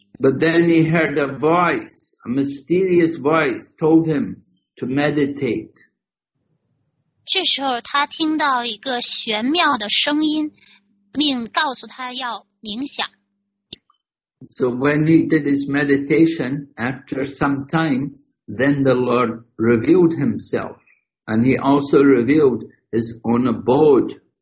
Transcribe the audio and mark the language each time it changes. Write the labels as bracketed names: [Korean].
[English] But then he heard a voice, a mysterious voice, told him to meditate. [Chinese] 这时候他听到一个玄妙的声音，命告诉他要冥想。 [English] So when he did his meditation, after some time, then the Lord revealed Himself, and He also revealed His own abode.